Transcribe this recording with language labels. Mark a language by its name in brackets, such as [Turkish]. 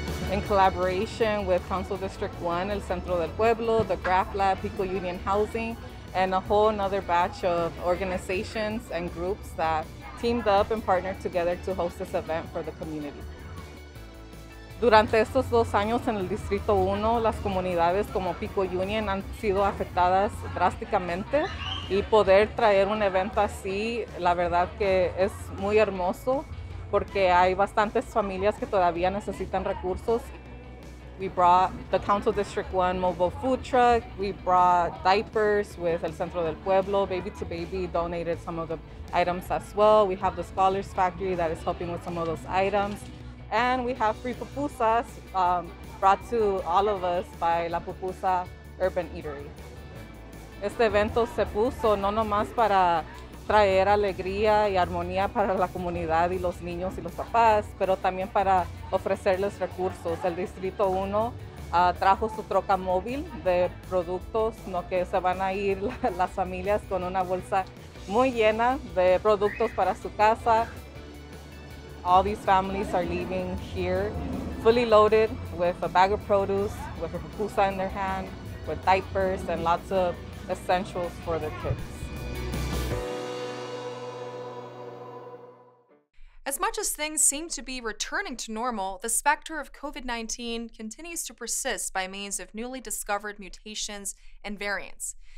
[English] In collaboration with Council District 1, El Centro del Pueblo, the Graph Lab, Pico-Union Housing, and a whole another batch of organizations and groups that teamed up and partnered together to host this event for the community. [Spanish] Durante estos dos años en el Distrito 1, las comunidades como Pico-Union han sido afectadas drásticamente, y poder traer un evento así, la verdad que es muy hermoso, porque hay bastantes familias que todavía necesitan recursos. [English] We brought the Council District 1 mobile food truck. We brought diapers with El Centro del Pueblo. Baby to Baby donated some of the items as well. We have the Scholars Factory that is helping with some of those items. And we have free pupusas brought to all of us by La Pupusa Urban Eatery. [Spanish] Este evento se puso no nomás para traer alegría y armonía para la comunidad y los niños y los papás, pero también para ofrecerles recursos. El Distrito 1 trajo su troca móvil de productos, no que se van a ir las familias con una bolsa muy llena de productos para su casa. [English] All these families are leaving here fully loaded with a bag of produce, with a pupusa in their hand, with diapers and lots of essentials for their kids. As much as things seem to be returning to normal, the specter of COVID-19 continues to persist by means of newly discovered mutations and variants.